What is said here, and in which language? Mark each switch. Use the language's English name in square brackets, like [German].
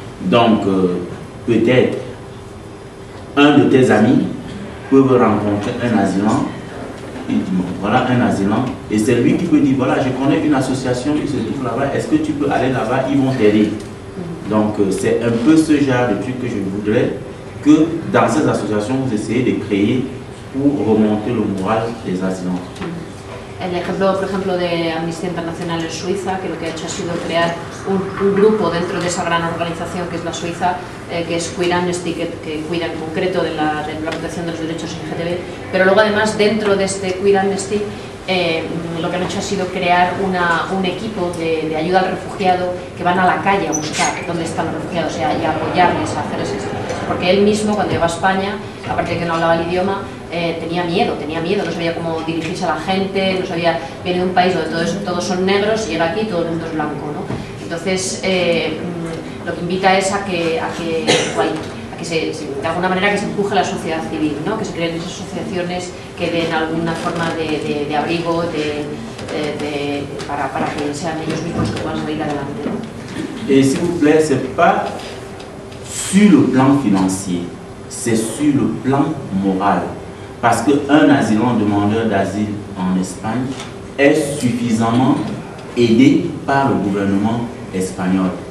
[French] Donc, peut-être un de tes amis peut rencontrer un asylant, il dit bon, voilà un asylant, et c'est lui qui peut dire voilà, je connais une association qui se trouve là-bas, est-ce que tu peux aller là-bas, ils vont t'aider. Donc, c'est un peu ce genre de truc que je voudrais que dans ces associations, vous essayez de créer pour remonter le moral des asylants. [Spanish] El ejemplo, por ejemplo, de Amnistía Internacional en Suiza, que lo que ha hecho ha sido crear un grupo dentro de esa gran organización que es la Suiza, que es Queer Amnesty, que cuida en concreto de la protección de los derechos LGTB. Pero luego, además, dentro de este Queer Amnesty, lo que han hecho ha sido crear un equipo de ayuda al refugiado que van a la calle a buscar dónde están los refugiados y a apoyarles a hacer eso. Porque él mismo, cuando iba a España, aparte de que no hablaba el idioma, tenía miedo, no sabía cómo dirigirse a la gente, no sabía, viene de un país donde todos son negros, llega aquí y todo el mundo es blanco, ¿no? Entonces, lo que invita es a que se empuje la sociedad civil, ¿no? Que se creen esas asociaciones que den alguna forma de abrigo para que sean ellos mismos que puedan salir adelante, ¿no? [French] Y, s'il vous plaît, c'est pas sur le plan financier, c'est sur le plan moral. parce qu'un asylant demandeur d'asile en Espagne est suffisamment aidé par le gouvernement espagnol.